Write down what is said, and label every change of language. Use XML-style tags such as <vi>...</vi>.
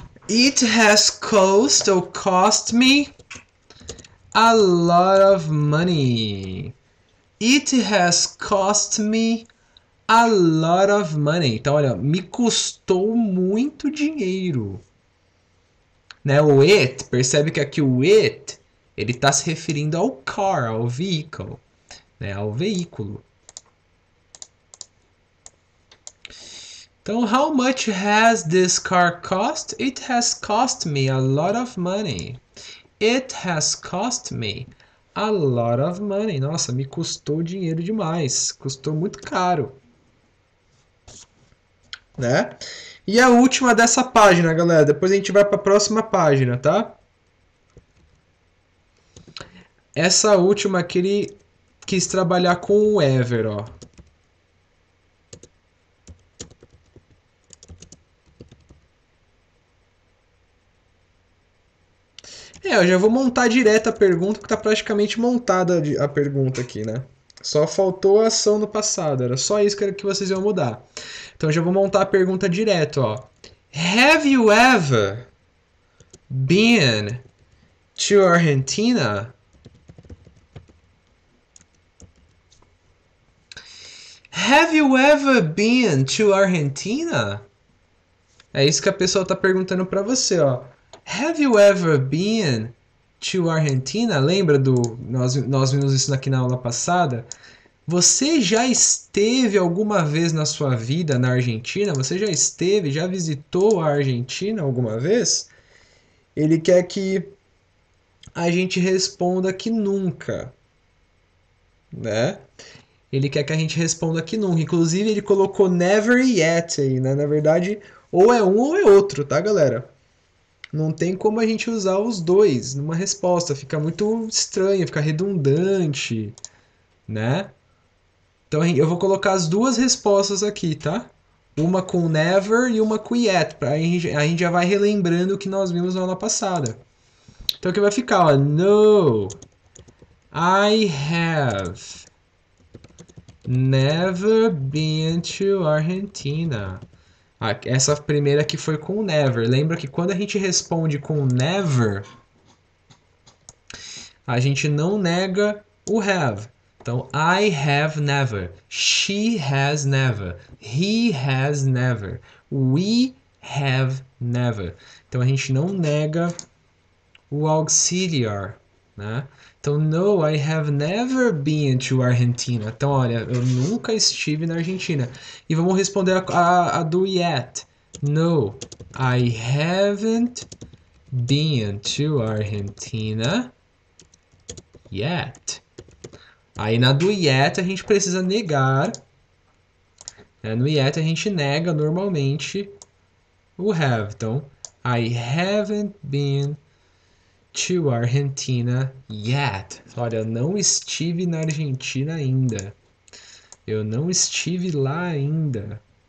<en>It has cost ou cost me a lot of money. It has cost me a lot of money.</en> <pt>Então, olha, me custou muito dinheiro. Né? O it, percebe que aqui o it, ele está se referindo ao car, ao veículo, né? Ao veículo.</pt> <en>Então, how much has this car cost? It has cost me a lot of money. It has cost me a lot of money.</en> <pt>Nossa, me custou dinheiro demais. Custou muito caro. Né? E a última dessa página, galera. Depois a gente vai para a próxima página, tá? Essa última aqui, ele quis trabalhar com o Ever, ó. É, eu já vou montar direto a pergunta, que tá praticamente montada a pergunta aqui, né? Só faltou a ação no passado, era só isso que vocês iam mudar. Então já vou montar a pergunta direto, ó.</pt> <en>Have you ever been to Argentina? Have you ever been to Argentina?</en> <pt>É isso que a pessoa tá perguntando para você, ó.</pt> <en>Have you ever been to Argentina?</en> <pt>Lembra do. Nós vimos isso aqui na aula passada. Você já esteve alguma vez na sua vida na Argentina? Você já esteve, já visitou a Argentina alguma vez? Ele quer que a gente responda que nunca. Né? Ele quer que a gente responda que nunca. Inclusive, ele colocou never yet aí, né? Na verdade, ou é um ou é outro, tá, galera? Não tem como a gente usar os dois numa resposta, fica muito estranho, fica redundante, né? Então eu vou colocar as duas respostas aqui, tá? Uma com never e uma com yet, para a gente já vai relembrando o que nós vimos na aula passada. Então o que vai ficar, ó?</pt> <en>No, I have never been to Argentina.</en> <pt>Ah, essa primeira aqui foi com never. Lembra que quando a gente responde com never, a gente não nega o have.</pt> <en>Então, I have never. She has never. He has never. We have never.</en> <pt>Então, a gente não nega o auxiliar, né?</pt> <en>Então, no, I have never been to Argentina.</en> <pt>Então, olha, eu nunca estive na Argentina. E vamos responder a do yet.</pt> <en>No, I haven't been to Argentina yet.</en> <pt>Aí na do yet a gente precisa negar. Né? No yet a gente nega normalmente o have.</pt> <en>Então, I haven't been to Argentina yet.</en> <pt>Olha, eu não estive na Argentina ainda. Eu não estive lá ainda.</pt>